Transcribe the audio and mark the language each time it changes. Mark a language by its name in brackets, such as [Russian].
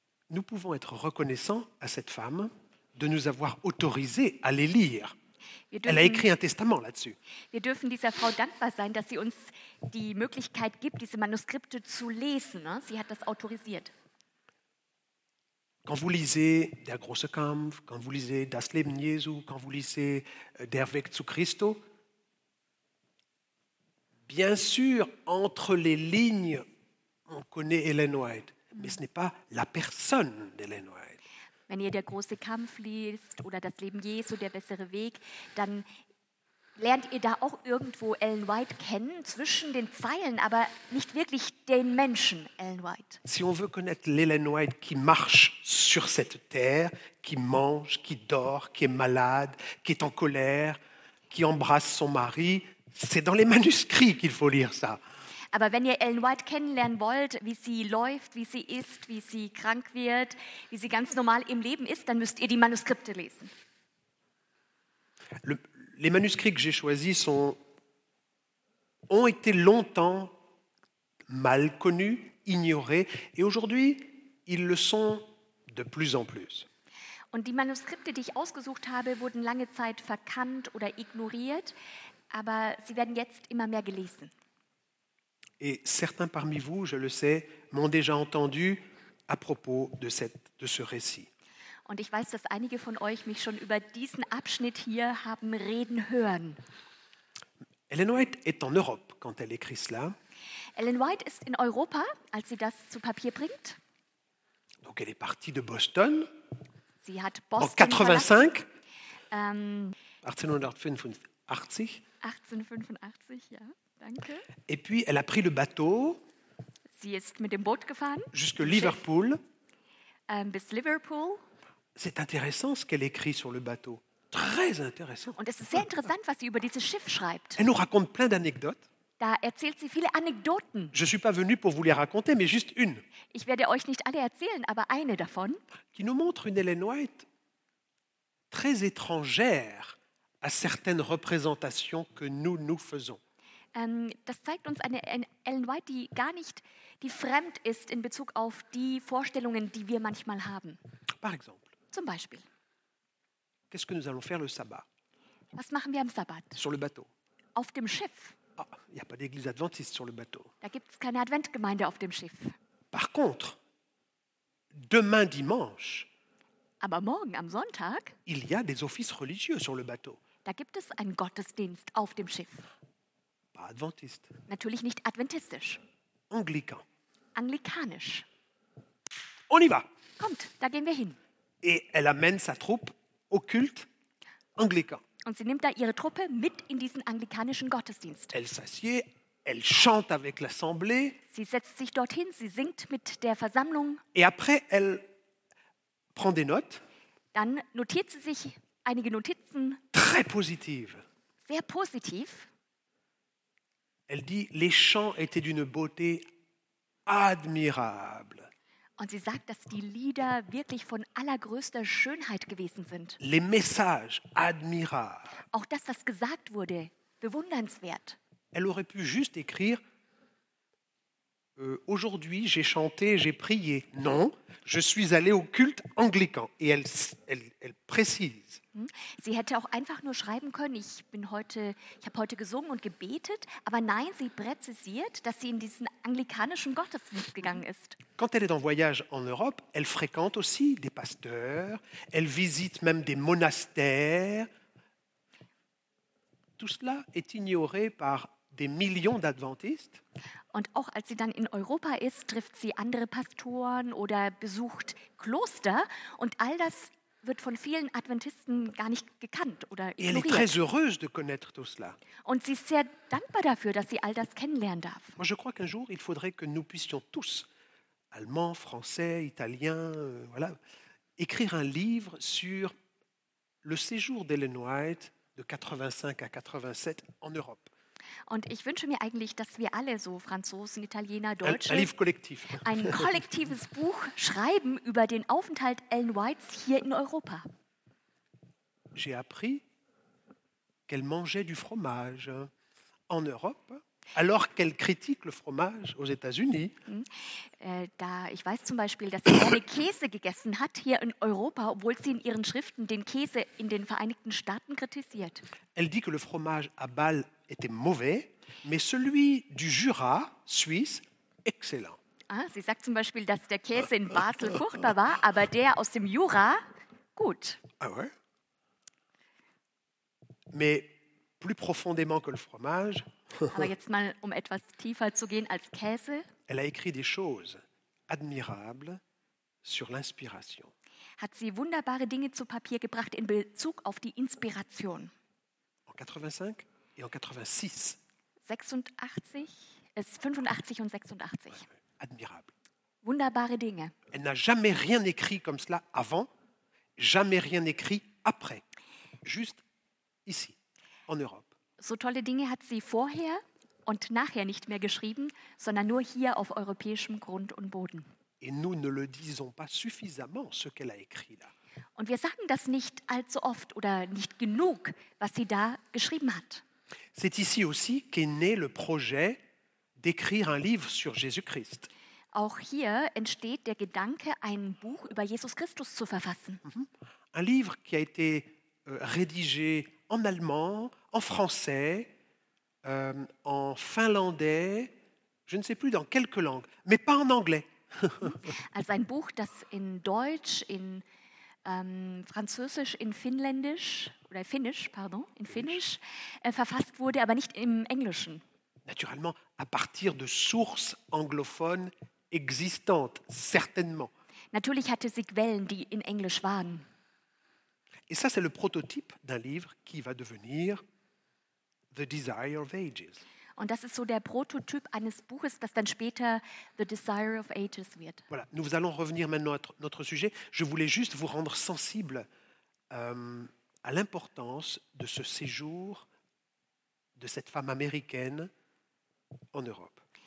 [French] Nous pouvons être reconnaissants à cette femme de nous avoir autorisé à les lire. Elle a écrit un testament là-dessus. [German] Wir dürfen dieser Frau dankbar sein, dass sie uns die Möglichkeit gibt, diese Manuskripte zu lesen. Sie hat das autorisiert. [French] Quand vous lisez Der große Kampf, quand vous lisez Das Leben Jesu, quand vous lisez Der Weg zu Christo, bien sûr, entre les lignes, on connaît Ellen White, mais ce n'est pas la personne d'Ellen White. [German] Wenn ihr Der große Kampf liest oder Das Leben Jesu, Der bessere Weg, dann lernt ihr da auch irgendwo Ellen White kennen, zwischen den Zeilen, aber nicht wirklich den Menschen Ellen White. [French] Si on veut connaître l'Ellen White qui marche sur cette terre, qui mange, qui dort, qui est malade, qui est en colère, qui embrasse son mari, c'est dans les manuscrits qu'il faut lire ça. [German] Aber wenn ihr Ellen White kennenlernen wollt, wie sie läuft, wie sie isst, wie sie krank wird, wie sie ganz normal im Leben ist, dann müsst ihr die Manuskripte lesen. [French] Les manuscrits que j'ai choisis ont été longtemps mal connus, ignorés, et aujourd'hui, ils le sont de plus en plus. [German] Und die Manuskripte, die ich ausgesucht habe, wurden lange Zeit verkannt oder ignoriert, aber sie werden jetzt immer mehr gelesen. [French] Et certains parmi vous, je le sais, m'ont déjà entendu à propos de ce récit. [German] Und ich weiß, dass einige von euch mich schon über diesen Abschnitt hier haben reden hören. [French] Ellen White est en Europe quand elle écrit cela. [German] Ellen White ist in Europa, als sie das zu Papier bringt. [French] Donc elle est partie de Boston. [German] Sie hat Boston [French] en 85. 1885. [German] 1885, ja. Danke. [French] Et puis elle a pris le bateau. [German] Sie ist mit dem Boot gefahren. [French] Jusque Liverpool. [German] Bis Liverpool. [French] C'est intéressant ce qu'elle écrit sur le bateau. Très intéressant. [German] Und es ist sehr interessant, was sie über dieses Schiff schreibt. [French] Elle nous raconte plein d'anecdotes. [German] Da erzählt sie viele Anekdoten. [French] Je suis pas venu pour vous les raconter, mais juste une. [German] Ich werde euch nicht alle erzählen, aber eine davon. [French] Qui nous montre une Ellen White très étrangère à certaines représentations que nous nous faisons. [German] Das zeigt uns eine Ellen White, die gar nicht die fremd ist in Bezug auf die Vorstellungen, die wir manchmal haben. [French] Par exemple. [German] Zum Beispiel. [French] Qu'est-ce que nous allons faire le sabbat? [German] Was machen wir am Sabbat? [French] Sur le bateau. [German] Auf dem Schiff. [French] Ah, y a pas d'église adventiste sur le bateau. [German] Da gibt's keine Adventgemeinde auf dem Schiff. [French] Par contre, demain dimanche. [German] Aber morgen am Sonntag. [French] Il y a des offices religieux sur le bateau. [German] Da gibt es einen Gottesdienst auf dem Schiff. [French] Pas adventiste. [German] Natürlich nicht adventistisch. [French] Anglican. [German] Anglikanisch. [French] On y va. [German] Kommt, da gehen wir hin. [French] Et elle amène sa troupe au culte anglican. [German] Und sie nimmt da ihre Truppe mit in diesen anglikanischen Gottesdienst. [French] Elle s'assied, elle chante avec l'assemblée. [German] Sie setzt sich dorthin, sie singt mit der Versammlung. [French] Et après, elle prend des notes. [German] Dann notiert sie sich einige Notizen. [French] Très positive. [German] Sehr positiv. [French] Elle dit, les chants étaient d'une beauté admirable. [German] Und sie sagt, dass die Lieder wirklich von allergrößter Schönheit gewesen sind. [French] Les messages admirables. [German] Auch das, was gesagt wurde, bewundernswert. [French] Elle aurait pu juste écrire, aujourd'hui j'ai chanté, j'ai prié. Non, je suis allée au culte anglican. Et elle précise. [German] Sie hätte auch einfach nur schreiben können, ich habe heute gesungen und gebetet, aber nein, sie präzisiert, dass sie in diesen anglikanischen Gottesdienst gegangen ist. [French] Quand elle est en voyage en Europe, elle fréquente aussi des pasteurs, elle visite même des monastères. Tout cela est ignoré par des millions d'adventistes. [German] Und auch als sie dann in Europa ist, trifft sie andere Pastoren oder besucht Kloster und all das wird von vielen Adventisten gar nicht gekannt oder ignoriert. [French] Elle est très heureuse de connaître tout cela. [German] Und sie ist sehr dankbar dafür, dass sie all das kennenlernen darf. [French] Moi, je crois qu'un jour, il faudrait que nous puissions tous, Allemands, Français, Italiens, voilà, écrire un livre sur le séjour d'Ellen White de 85 à 87 en Europe. [German] Und ich wünsche mir eigentlich, dass wir alle so Franzosen, Italiener, Deutsche ein kollektives Buch schreiben über den Aufenthalt Ellen Whites hier in Europa. [French] J'ai appris qu'elle mangeait du fromage en Europe, alors qu'elle critique le fromage aux États-Unis. [German] Ich weiß zum Beispiel, dass sie gerne Käse gegessen hat hier in Europa, obwohl sie in ihren Schriften den Käse in den Vereinigten Staaten kritisiert. [French] Elle dit que le fromage à Bâle était mauvais, mais celui du Jura, Suisse, excellent. [German] Ah, sie sagt zum Beispiel, dass der Käse in Basel furchtbar war, aber der aus dem Jura, gut. [French] Ah ouais? Mais plus profondément que le fromage. [German] Aber jetzt mal, um etwas tiefer zu gehen als Käse. [French] Elle a écrit des choses admirables sur l'inspiration. [German] Hat sie wunderbare Dinge zu Papier gebracht in Bezug auf die Inspiration. [French] En 85 et en 86. [German] 85 und 86. [French] Ouais, admirable. [German] Wunderbare Dinge. [French] Elle n'a jamais rien écrit comme cela avant, jamais rien écrit après. Juste ici, en Europe. [German] So tolle Dinge hat sie vorher und nachher nicht mehr geschrieben, sondern nur hier auf europäischem Grund und Boden. [French] Et nous ne le disons pas suffisamment, ce qu'elle a écrit là. [German] Und wir sagen das nicht allzu oft oder nicht genug, was sie da geschrieben hat. [French] C'est ici aussi qu'est né le projet d'écrire un livre sur Jésus-Christ. [German] Auch hier entsteht der Gedanke, ein Buch über Jesus Christus zu verfassen. [French] Un livre qui a été rédigé en allemand, en français, en finlandais, je ne sais plus dans quelques langues, mais pas en anglais. [German] Also ein Buch, das in Deutsch, in Französisch, in Finnländisch oder Finnisch, pardon, in Finnisch verfasst wurde, aber nicht im Englischen. [French] Naturellement, à partir de sources anglophones existantes, certainement. [German] Natürlich hatte sie Quellen, die in Englisch waren. [French] Et ça, c'est le prototype d'un livre qui va devenir The Desire of Ages. [German] Und das ist so der Prototyp eines Buches, das dann später The Desire of Ages wird. [French] Voilà, nous allons revenir maintenant à notre sujet. Je voulais juste vous rendre sensible à l'importance de ce séjour de cette femme américaine en Europe.